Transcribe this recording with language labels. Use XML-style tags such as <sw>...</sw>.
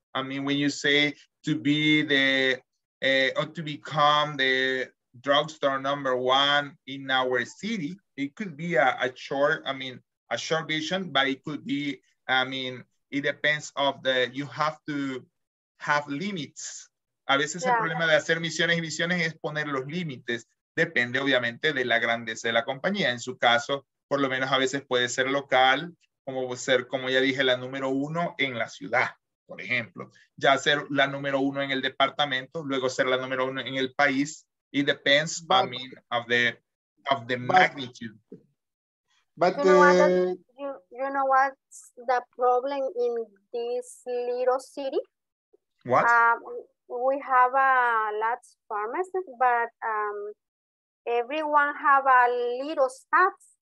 <en>I mean, when you say to be the or to become the drugstore number one in our city, it could be a short vision, but it could be, I mean, it depends of the, you have to have limits.</en> <es>A veces el problema de hacer misiones y visiones es poner los límites. Depende, obviamente, de la grandeza de la compañía. En su caso, por lo menos a veces puede ser local, como ser, como ya dije, la número uno en la ciudad, por ejemplo. Ya ser la número uno en el departamento, luego ser la número uno en el país.</es> <en>It depends, I mean, of the magnitude. But you know what's the problem in this little city? What? We have a lot of pharmacists, but everyone have a little staff,</en>